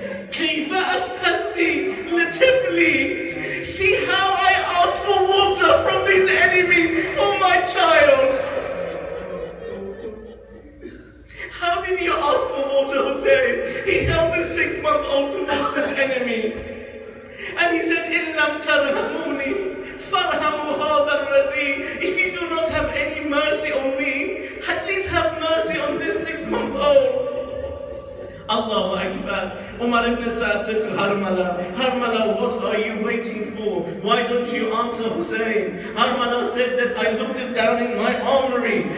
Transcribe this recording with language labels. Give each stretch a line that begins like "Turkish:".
Arabic: Kayfa astasqi litifli.
English: See how I ask for water from these enemies for my child. How did you ask for water, Hussein? He held the 6-month-old towards this enemy. And he said,
Arabic: إِلَّمْ تَرْهَمُونِي فَرْهَمُوا هَذَا الرَّزِيمِ.
English: If you do not have any mercy on me, at least have mercy on this 6-month-old. Allahu Akbar. Umar ibn Sa'd said to Harmala, Harmala, what are you waiting for? Why don't you answer Hussein? Harmala said that I looked it down in my armory.